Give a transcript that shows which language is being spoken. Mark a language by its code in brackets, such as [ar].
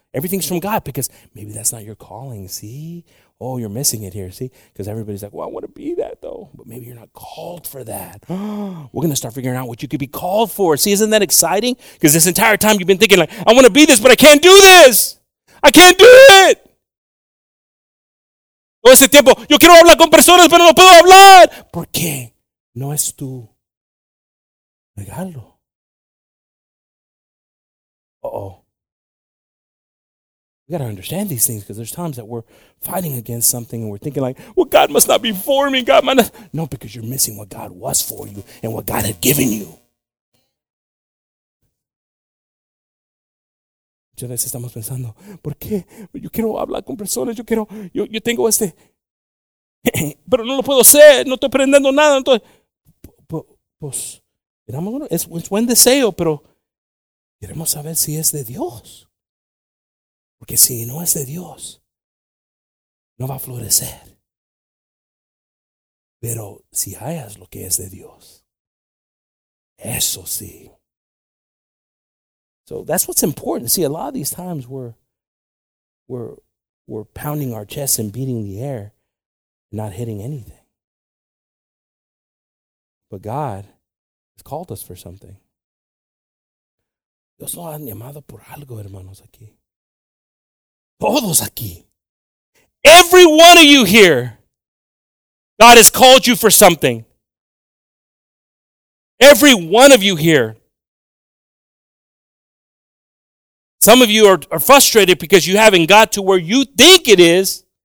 [en] Everything's from God, because maybe that's not your calling. See? Oh, you're missing it here. See? Because everybody's like, well, I want to be that though. But maybe you're not called for that. We're going to start figuring out what you could be called for. See, isn't that exciting? Because this entire time you've been thinking like, I want to be this, but I can't do this. I can't do it. [es] Todo ese tiempo, yo quiero hablar con personas, pero no puedo hablar. ¿Por qué? No es tu regalo. Uh-oh. [en] We got to understand these things, because there's times that we're fighting against something and we're thinking like, well, God must not be for me. God might not. No, because you're missing what God was for you and what God had given you. [es] Muchas veces estamos pensando, ¿por qué? Yo quiero hablar con personas. Yo quiero, yo tengo este. Pero no lo puedo hacer. No estoy aprendiendo nada. Pues, es buen deseo, pero queremos saber si es de Dios. Porque si no es de Dios, no va a florecer. Pero si hayas lo que es de Dios, eso sí. [en] So that's what's important. See, a lot of these times we're pounding our chests and beating the air, not hitting anything. But God has called us for something. [es] Dios nos ha llamado por algo, hermanos, aquí. Todos aquí. [en] Every one of you here, God has called you for something. Every one of you here. Some of you are frustrated because you haven't got to where you think it is.